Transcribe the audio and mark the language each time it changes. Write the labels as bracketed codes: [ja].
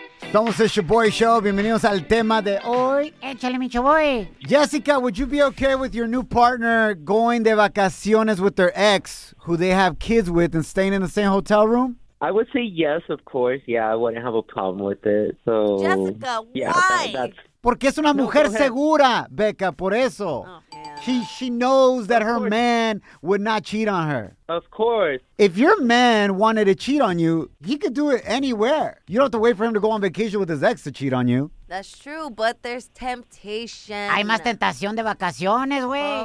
[es] Somos el Shaboy Show. Bienvenidos al tema de hoy. Échale, mi Shaboy. [en] Jessica, would you be okay with your new partner going [es] de vacaciones [en] with their ex, who they have kids with, and staying in the same hotel room? I would say yes, of course. Yeah, I wouldn't have a problem with it. So, Jessica, yeah, why? [es] Porque es una mujer segura, Becca, por eso. [en] Oh, yeah. She knows that her man would not cheat on her. Of course. If your man wanted to cheat on you, he could do it anywhere. You don't have to wait for him to go on vacation with his ex to cheat on you. That's true, but there's temptation. [es] Hay más tentación de vacaciones, güey.